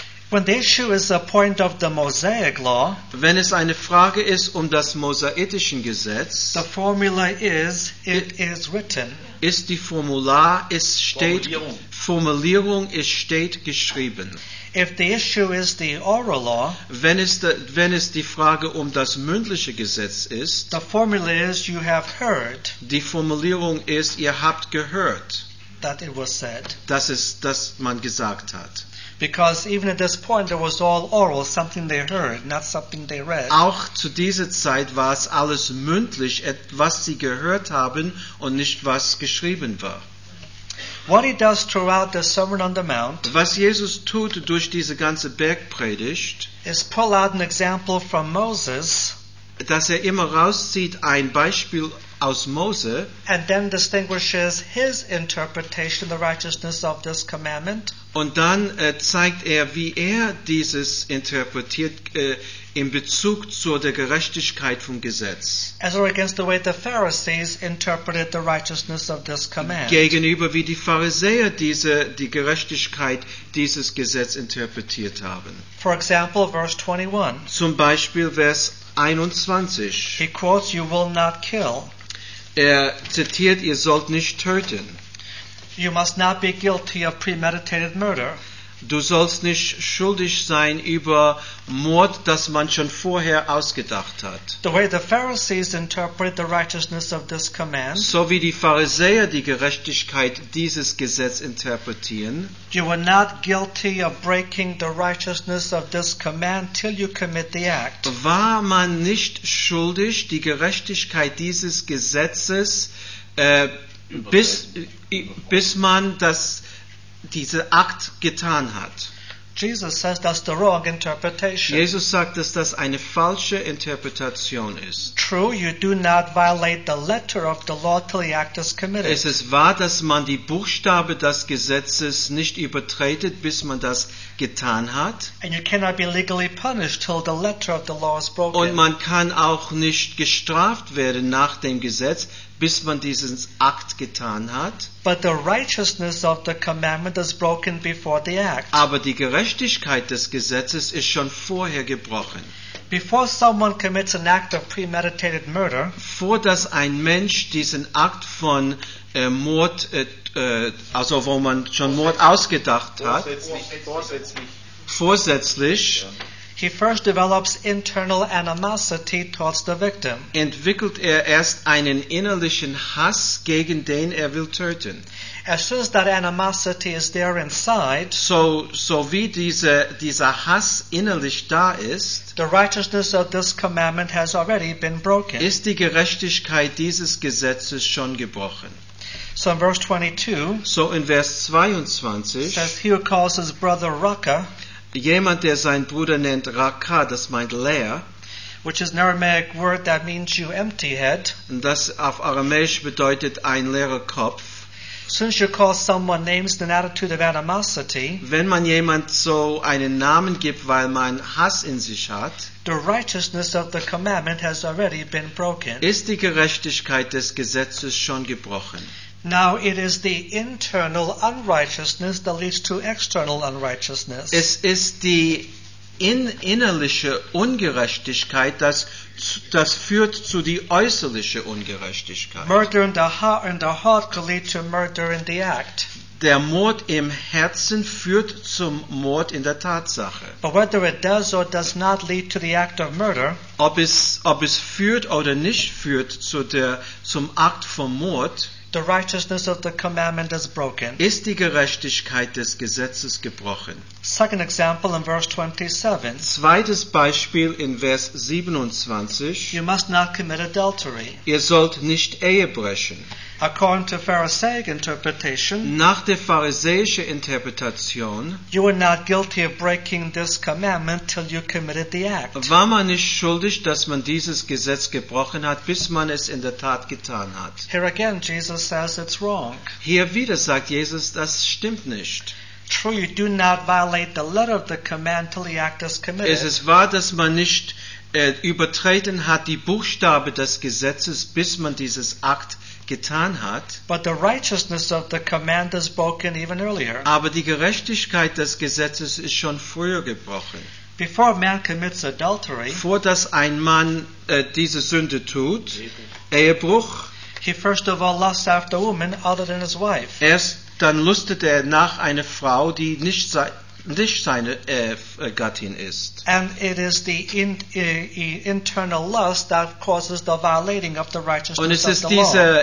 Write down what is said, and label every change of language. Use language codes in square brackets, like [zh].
[en] When the issue is a point of the Mosaic law, [de] wenn es eine Frage ist um das mosaische Gesetz, [en] the formula is, it is written. [de] Ist die Formular, es steht, Formulierung ist steht geschrieben. [en] If the issue is the oral law, [de] wenn es die Frage um das mündliche Gesetz ist, [en] the formula is you have heard. [de] Die Formulierung ist ihr habt gehört. [en] That it was said. [de] Das ist, dass man gesagt hat. [en] Because even at this point it was all oral, something they heard, not something they read. [de] Auch zu dieser Zeit war es alles mündlich, was sie gehört haben und nicht was geschrieben war. [en] What he does throughout the Sermon on the Mount, [de] was Jesus tut durch diese ganze Bergpredigt, [en] is pull out an example from Moses, [de] dass er immer rauszieht ein Beispiel aus Mose, [en] and then distinguishes his interpretation of the righteousness of this commandment. [de] Und dann zeigt er, wie er dieses interpretiert in Bezug zu der Gerechtigkeit vom Gesetz. [en] As or against the way the Pharisees interpreted the righteousness of this command. [de] Gegenüber wie die Pharisäer die Gerechtigkeit dieses Gesetz interpretiert haben. [en] For example, verse 21. [de] Zum Beispiel Vers 21. [en] He quotes, "You will not kill." [de] Er zitiert, ihr sollt nicht töten. [en] You must not be guilty of premeditated murder. [de] Du sollst nicht schuldig sein über Mord, das man schon vorher ausgedacht hat. [en] The way the Pharisees interpret the righteousness of this command. [de] So wie die Pharisäer die Gerechtigkeit dieses Gesetzes interpretieren. [en] You are not guilty of breaking the righteousness of this command till you commit the act. [de] War man nicht schuldig die Gerechtigkeit dieses Gesetzes bis man das diese Akt getan hat. [en] Jesus says that's the wrong interpretation. [de] Jesus sagt, dass das eine falsche Interpretation ist. [en] True, you do not violate the letter of the law till the act is committed. [de] Es ist wahr, dass man die Buchstabe des Gesetzes nicht übertretet, bis man das getan hat. [en] And you cannot be legally punished till the letter of the law is broken. [de] Und man kann auch nicht gestraft werden nach dem Gesetz, bis man diesen Akt getan hat. [en] But the righteousness of the commandment is broken before the act. [de] Aber die Gerechtigkeit des Gesetzes ist schon vorher gebrochen. [en] Before someone commits an act of premeditated murder, [de] vor dass ein Mensch diesen Akt von Mord, also wo man schon Mord ausgedacht hat, vorsätzlich. [en] He first develops internal animosity towards the victim. [de] Entwickelt erst einen innerlichen Hass gegen den will töten. [en] As soon as that animosity is there inside, [de] so wie dieser Hass innerlich da ist, [en] the righteousness of this commandment has already been broken. [de] Ist die Gerechtigkeit dieses Gesetzes schon gebrochen. [en] So in verse 22, [de] so in Vers 22, [en] says he who calls his brother Raka. [de] Jemand, der seinen Bruder nennt Raka, das meint leer. [en] Which is an Aramaic word that means you empty head. [de] Und das auf Aramäisch bedeutet ein leerer Kopf. [en] Since you call someone names in an attitude of animosity. [de] Wenn man jemand so einen Namen gibt, weil man Hass in sich hat. [en] The righteousness of the commandment has already been broken. [de] Ist die Gerechtigkeit des Gesetzes schon gebrochen? [en] Now it is the internal unrighteousness that leads to external unrighteousness. [de] Es ist die innerliche Ungerechtigkeit, das führt zu die äußerliche Ungerechtigkeit. [en] Murder in the heart can lead to murder in the act. [de] Der Mord im Herzen führt zum Mord in der Tatsache. [en] But whether it does or does not lead to the act of murder, [de] ob es führt oder nicht führt zum Akt vom Mord, [en] the righteousness of the commandment is broken. [de] Ist die Gerechtigkeit des Gesetzes gebrochen? [en] Second example in verse 27. [de] Zweites Beispiel in Vers 27. [en] You must not commit adultery. [de] Ihr sollt nicht Ehe brechen. [en] According to Pharisaic interpretation, [de] nach der pharisäischen Interpretation, [en] you were not guilty of breaking this commandment till you committed the act. [de] War man nicht schuldig, dass man dieses Gesetz gebrochen hat, bis man es in der Tat getan hat? [en] Here again, Jesus says it's wrong. [de] Hier wieder sagt Jesus, das stimmt nicht. [en] True, you do not violate the letter of the command till the act is committed. [de] Es ist wahr, dass man nicht übertreten hat die Buchstabe des Gesetzes, bis man dieses Akt getan hat. [en] But the righteousness of the command is broken even earlier. [de] Aber die Gerechtigkeit des Gesetzes ist schon früher gebrochen. [en] Before a man commits adultery, [de] vor dass ein Mann diese Sünde tut, Ehebruch, [en] he first of all lusts after a woman other than his wife. [de] Erst dann lustet nach einer Frau, die nicht nicht seine Gattin ist. [en] And it is the internal lust that causes the violating of the righteousness of the law.